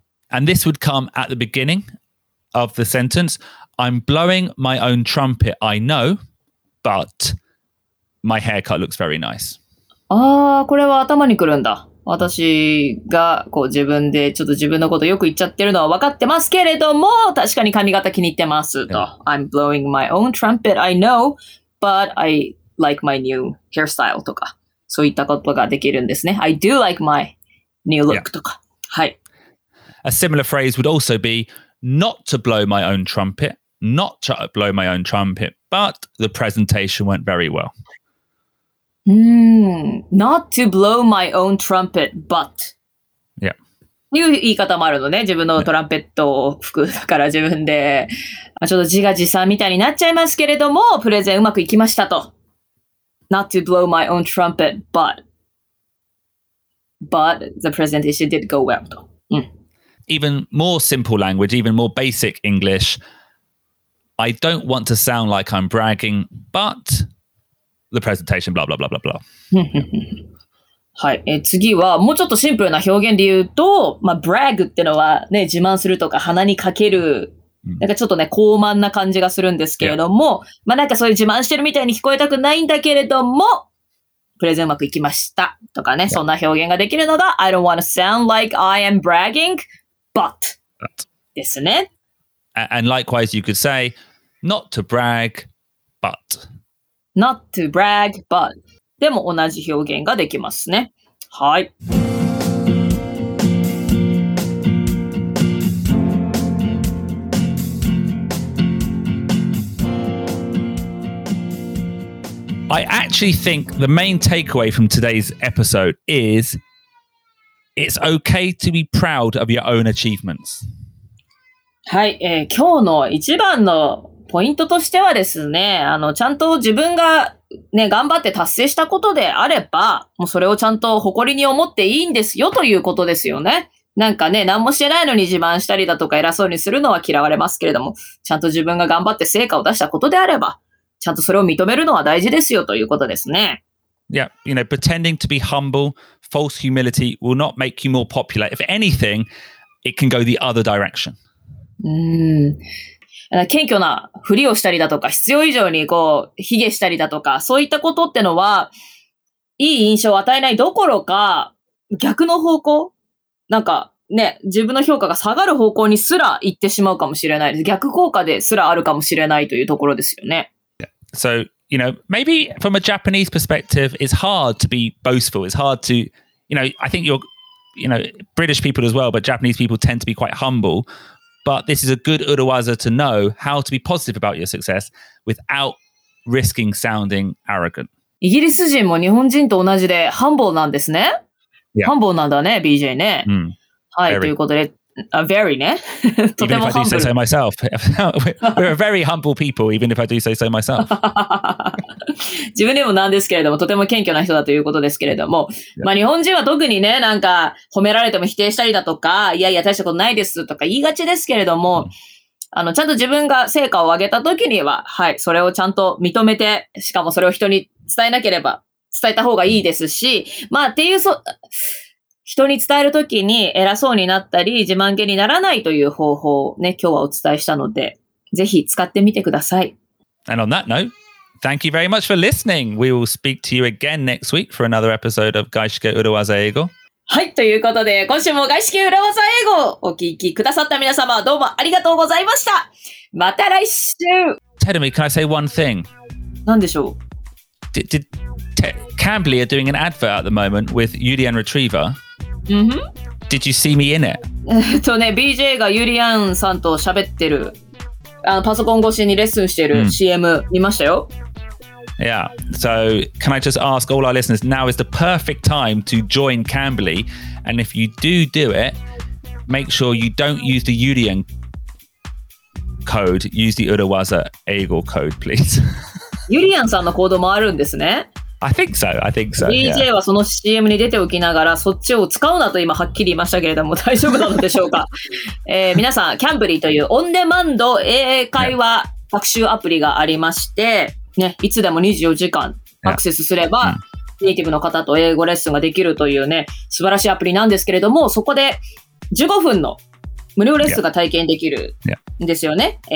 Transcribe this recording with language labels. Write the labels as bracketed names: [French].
[English] And this would come at the beginning of the sentence. I'm blowing my own trumpet, I know, but my haircut looks very nice. [Japanese] ああ、これは頭にくるんだ。私がこう自分でちょっと自分のことよく言っちゃってるのは分かってますけれども、確かに髪型気に入ってますと。 [English] Yeah. I'm blowing my own trumpet, I know, but I like my new hairstyle [Japanese] とか、そういったことができるんですね。 [English] I do like my new look、yeah. [Japanese] とか。はい。 [English] A similar phrase would also be,Not to blow my own trumpet, not to blow my own trumpet, but the presentation went very well. Not to blow my own trumpet, but. Yeah. [Japanese] いう言い方もあるのね。自分のトランペットを吹くから自分で、ちょっと自画自賛みたいになっちゃいますけれども、プレゼンうまくいきましたと。 [English] Not to blow my own trumpet, but the presentation did go well [Japanese] と。 [English] Even more simple language, even more basic English. I don't want to sound like I'm bragging, but the presentation, blah, blah, blah, blah, blah. [Japanese] はい。次は、もうちょっとシンプルな表現で言うと、まあ、brag ってのはね、自慢するとか鼻にかけるなんかちょっとね、高慢な感じがするんですけれども、まあなんかそういう自慢してるみたいに聞こえたくないんだけれども、プレゼンうまくいきましたとかね、そんな表現ができるのが、 [English] I don't want to sound like I am bragging, but [Japanese] ですね。 [English] And likewise, you could say, not to brag, but. Not to brag, but. [Japanese] でも同じ表現ができますね。はい。 [English] I actually think the main takeaway from today's episode is it's okay to be proud of your own achievements. [Japanese] はい、今日の一番のポイントとしてはですね、ちゃんと自分がね、頑張って達成したことであれば、もうそれをちゃんと誇りに思っていいんですよということですよね。なんかね、何もしてないのに自慢したりだとか偉そうにするのは嫌われますけれども、ちゃんと自分が頑張って成果を出したことであれば、ちゃんとそれを認めるのは大事ですよということですね。 [English] Yeah, you know, pretending to be humble, false humility will not make you more popular. If anything, it can go the other direction. [Japanese] うーん。謙虚なふりをしたりだとか、必要以上にこう、卑下したりだとか、そういったことってのは、いい印象を与えないどころか、逆の方向、なんかね、自分の評価が下がる方向にすら行ってしまうかもしれないです。逆効果ですらあるかもしれないというところですよね。 [English] So, you know, maybe from a Japanese perspective, it's hard to be boastful. It's hard to, you know, I think you're, you know, British people as well, but Japanese people tend to be quite humble. But this is a good urawaza to know how to be positive about your success without risking sounding arrogant. [Japanese] イギリス人も日本人と同じで humble なんですね。 [English] Yeah. [Japanese] Humble なんだね、BJ ね。 Mm. はい、ということで。Very, ね。とても [English] humble. Even if I do say so myself. We're a very humble people, even if I do say so myself. [Japanese] 自分でもなんですけれども、とても謙虚な人だということですけれども、yeah. まあ日本人は特にね、なんか褒められても否定したりだとか、いやいや大したことないですとか言いがちですけれども、ちゃんと自分が成果を上げた時には、はい、それをちゃんと認めて、しかもそれを人に伝えなければ、伝えた方がいいですし、まあっていう、人に伝えるときに偉そうになったり自慢げにならないという方法をね、今日はお伝えしたので、ぜひ使ってみてください。 [English] And on that note, thank you very much for listening. We will speak to you again next week for another episode of 外資系裏技英語。 [Japanese] はい、ということで、今週も外資系裏技英語をお聞きくださった皆様、どうもありがとうございました。また来週。 [English] Tell me, can I say one thing? [Japanese] 何でしょう？ [English] Cambly are doing an advert at the moment with Yurian Retriever. Mm-hmm. Did you see me in it? [Japanese] とね、BJ がユリアンさんと喋ってる、パソコン越しにレッスンしてる CM 見ましたよ。 [English] Yeah. So, can I just ask all our listeners, now is the perfect time to join Cambly. And if you do it, make sure you don't use the Yurian code. Use the Urawaza Eagle code, please. [Japanese] ユリアンさんのコードもあるんですね。 [English] I think so. I think so. [Japanese] DJ はその CM に出ておきながら、そっちを使うなと今はっきり言いましたけれども、大丈夫なのでしょうか。皆さん、Cambly というオンデマンド英会話学習アプリがありまして、ね、いつでも24時間アクセスすれば、ネイティブの方と英語レッスンができるというね、素晴らしいアプリなんですけれども、そこで15分の無料レッスンが体験できるんですよね。